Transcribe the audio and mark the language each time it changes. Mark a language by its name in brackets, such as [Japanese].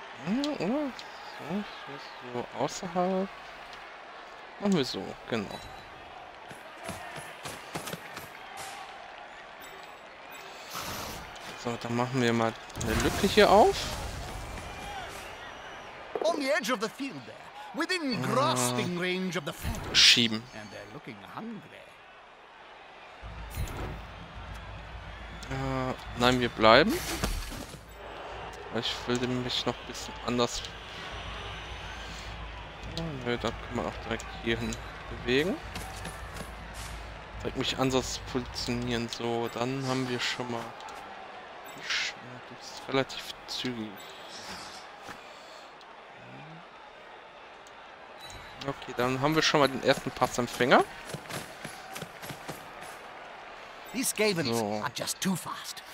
[German] Oder? So, so, so, außerhalb. Machen wir so, genau. So, dann machen wir mal eine Lücke hier auf. [English] On the edge of the field there. Within grasping range of the fence. [German] Schieben. [English] And they're looking hungry. [German] Nein, wir bleiben. Ich will mich noch ein bisschen anders. Oh, nö, da kann man auch direkt hier hin bewegen. Direkt mich anders positionieren. So, dann haben wir schon mal. Das ist relativ zügig. Okay, dann haben wir schon mal den ersten Passempfänger. [English] These Skavens are just too fast.